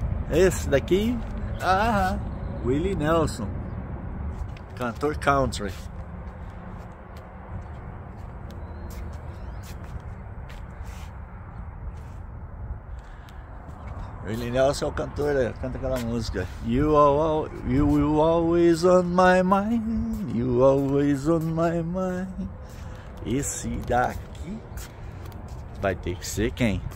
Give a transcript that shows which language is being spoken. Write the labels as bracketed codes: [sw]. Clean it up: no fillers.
[pt] Esse daqui? Ah, Willie Nelson. Cantor country. Willie Nelson é o cantor, ele canta aquela música. [en] You always on my mind, you always on my mind. [pt] Esse daqui vai ter que ser quem?